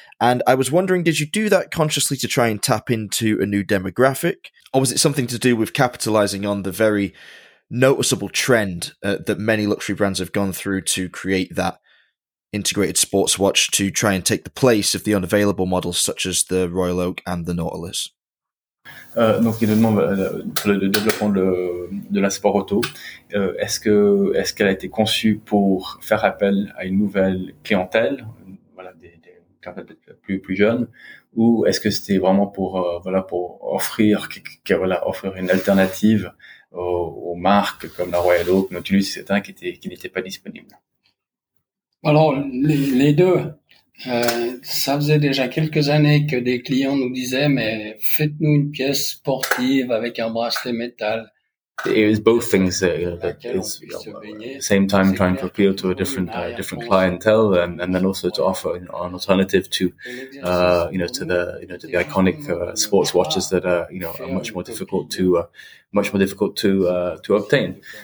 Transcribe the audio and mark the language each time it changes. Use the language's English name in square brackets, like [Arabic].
[English] And I was wondering, did you do that consciously to try and tap into a new demographic? Or was it something to do with capitalizing on the very noticeable trend that many luxury brands have gone through to create that integrated sports watch to try and take the place of the unavailable models such as the Royal Oak and the Nautilus? [French] Donc il demande le développement de la sport auto. Est-ce qu'elle a été conçue pour faire appel à une nouvelle clientèle, des clientèles plus jeunes, ou est-ce que c'était vraiment pour offrir une alternative aux marques comme la Royal Oak, Nautilus, etc., qui n'étaient pas disponibles? Alors, les deux, ça faisait déjà quelques années que des clients nous disaient, mais faites-nous une pièce sportive avec un bracelet métal. [English] It was both things at the same time, trying to appeal to a different clientele, and then also to offer an alternative to the iconic sports watches that are much more difficult to obtain.